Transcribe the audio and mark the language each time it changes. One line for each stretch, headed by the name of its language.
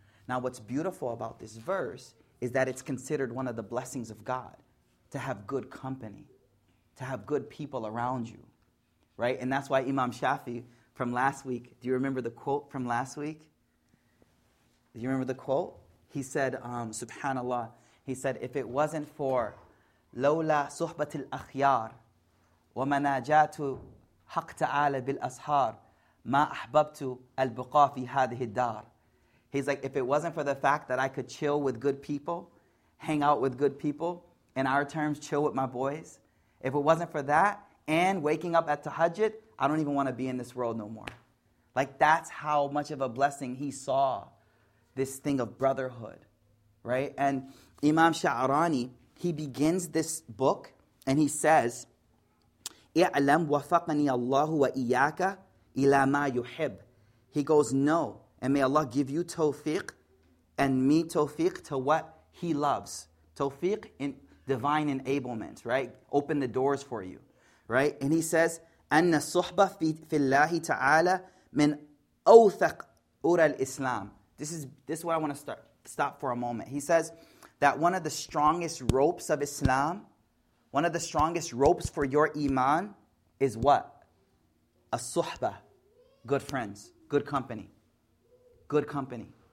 English: Now, what's beautiful about this verse is that it's considered one of the blessings of God to have good company, to have good people around you, right? And that's why Imam Shafi from last week, do you remember the quote from last week? Do you remember the quote? He said, subhanAllah, he said, if it wasn't for
Arabic: لَوْلَا صُحْبَةِ الْأَخْيَارِ وَمَنَاجَاتُ حَقْ تَعَالَ بِالْأَصْحَارِ مَا أَحْبَبْتُ الْبُقَى فِي هَذِهِ الدَّارِ.
English: He's like, if it wasn't for the fact that I could chill with good people, hang out with good people, in our terms, chill with my boys, if it wasn't for that, and waking up at tahajjud, I don't even want to be in this world no more. Like, that's how much of a blessing he saw, this thing of brotherhood, right? And Imam Sha'arani, he begins this book, and he says,
Arabic: اعلم وفقني الله وإياك إلى ما يحب.
English: He goes, no. And may Allah give you tawfiq and me tawfiq to what he loves. Tawfiq in divine enablement, right? Open the doors for you, right?
Arabic: And he says, أن الصحبة في الله تعالى من أوثق أور الإسلام.
English: This is what I want to stop for a moment. He says that one of the strongest ropes of Islam, one of the strongest ropes for your iman is what? As-suhbah, good friends, good company. Good company.